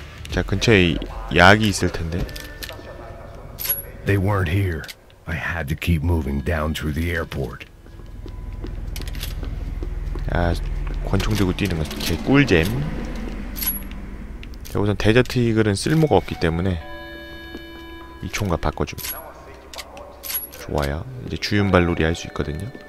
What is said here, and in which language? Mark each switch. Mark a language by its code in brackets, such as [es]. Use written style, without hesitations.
[ko] 자, 근처에 약이 있을 텐데. [en] They weren't here. I had to keep moving down through the airport. [ko] 아, 권총 들고 뛰는 거 개 꿀잼. 자, 우선 데저트 이글은 쓸모가 없기 때문에 이 총과 바꿔줍니다. 좋아요. 이제 주윤발놀이 할 수 있거든요.